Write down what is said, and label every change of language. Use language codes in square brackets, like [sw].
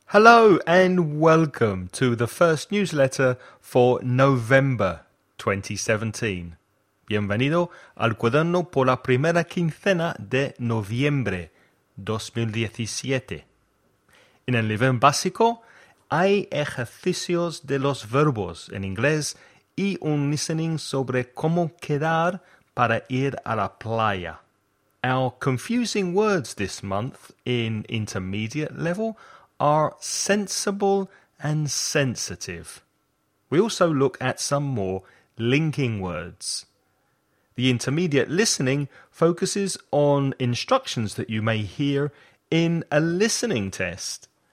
[en] Hello and welcome to the first newsletter for November 2017. [es] Bienvenido al cuaderno por la primera quincena de noviembre 2017. En el nivel básico hay ejercicios de los verbos en inglés y un listening sobre cómo quedar para ir a la playa. [en] Our confusing words this month in intermediate level are sensible and sensitive. We also look at some more linking words. The intermediate listening focuses on instructions that you may hear in a listening test.